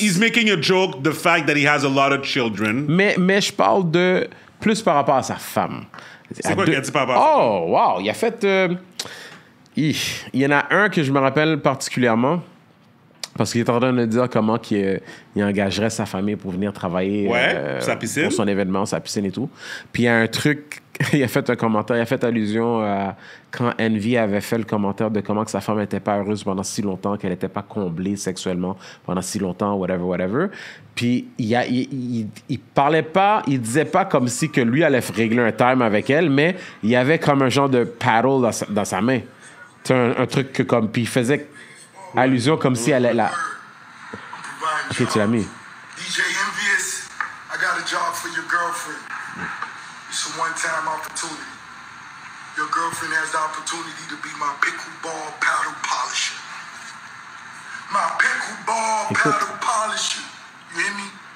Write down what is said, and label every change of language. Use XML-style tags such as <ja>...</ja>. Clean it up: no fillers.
<en>he's making a joke, the fact that he has a lot of children.</en> <fr>Mais je parle de plus par rapport à sa femme. C'est quoi qu'il a dit par rapport à ça? Oh, wow, il a fait... il y en a un que je me rappelle particulièrement. Parce qu'il est en train de dire comment qu'il engagerait sa famille pour venir travailler sa piscine. Pour son événement, sa piscine et tout. Puis il y a un truc, il a fait un commentaire, il a fait allusion à quand Envy avait fait le commentaire de comment que sa femme n'était pas heureuse pendant si longtemps, qu'elle n'était pas comblée sexuellement pendant si longtemps, whatever, whatever. Puis il parlait pas, il disait pas comme si que lui allait régler un time avec elle, mais il y avait comme un genre de paddle dans sa main. C'est un truc que comme, puis il faisait... Ouais. Allusion comme si elle est là. Ok, tu l'as mis.</fr> <en>DJ Envious, I got a job for your girlfriend. It's a one-time opportunity. Your girlfriend has the opportunity to be my pickleball paddle polisher. My pickleball paddle polisher. You hear me?</en>